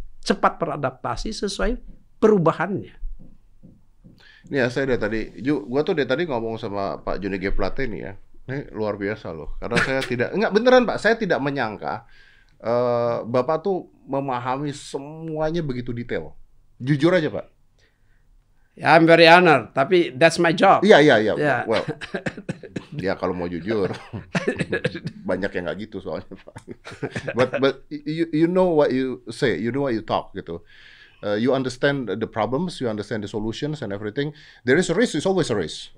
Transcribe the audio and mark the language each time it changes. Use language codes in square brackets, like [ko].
[id] Cepat beradaptasi sesuai perubahannya. Ini ya saya dari tadi, gua tuh dari tadi ngomong sama Pak Juni G. Plate nih ya. Ini luar biasa loh. Karena saya tidak menyangka Bapak tuh memahami semuanya begitu detail. Jujur aja Pak. [en] Yeah, I'm very honored, [id] tapi [en] that's my job. [id] Iya. Well, ya kalau mau jujur, banyak yang nggak gitu soalnya. [en] But you know what you say, you know what you talk gitu. You understand the problems, you understand the solutions and everything. There is a risk, it's always a risk.